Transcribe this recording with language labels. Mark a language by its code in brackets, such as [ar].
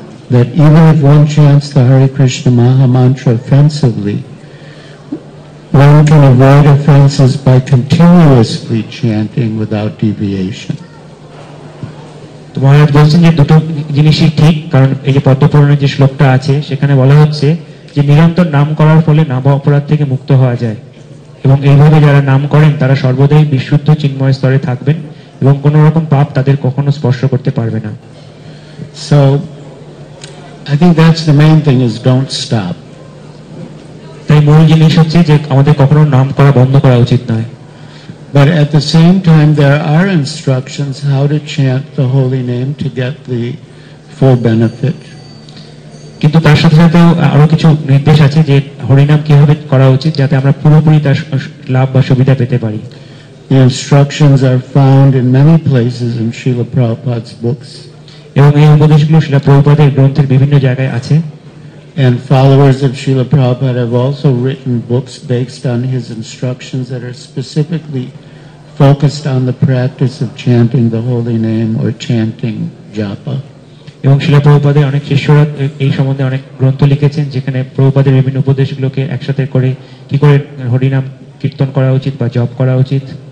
[en] That even if one chants the Hare Krishna Maha Mantra offensively, one can avoid offenses by continuously chanting without deviation. [bn] তোমার বলছেন যে দুটো জিনিসই ঠিক, কারণ এই যে পদ্মপুরাণের যে শ্লোকটা আছে সেখানে বলা হচ্ছে যে নিরন্তর নাম করার ফলে নাম অপরাধ থেকে মুক্ত হওয়া যায়, এবং এইভাবে যারা নাম করেন তারা সর্বদাই বিশুদ্ধ চিন্ময় স্তরে থাকবেন এবং কোন রকম পাপ তাদের কখনো স্পর্শ করতে পারবে না। [en] So I think that's the main thing is don't stop. [bn] তাই মূল জিনিস হচ্ছে যে আমাদের কখনো নাম করা বন্ধ করা উচিত নয়। [en] But at the same time, there are instructions how to chant the holy name to get the full benefit. [bn] কিন্তু তার সাথে সাথে আরো কিছু নির্দেশ আছে যে হরিনাম কিভাবে করা উচিত যাতে আমরা পুরোপুরি তার লাভ বা সুবিধা পেতে পারি। [en] The instructions are found in many places in Srila Prabhupada's books. [bn] এবং এই উপদেশগুলো শ্রীলা প্রভুপাদের গ্রন্থের বিভিন্ন জায়গায় আছে। [en] And followers of Srila Prabhupada have also written books based on his instructions that are specifically focused on the practice of chanting the holy name or chanting japa. [bn] এবং শ্রীলা প্রভুপাদের অনেক শিষ্যরা এই সম্বন্ধে অনেক গ্রন্থ লিখেছেন যেখানে প্রভুপাদের বিভিন্ন উপদেশগুলোকে একসাথে করে কি করে হরিনাম কীর্তন করা উচিত বা জপ করা উচিত।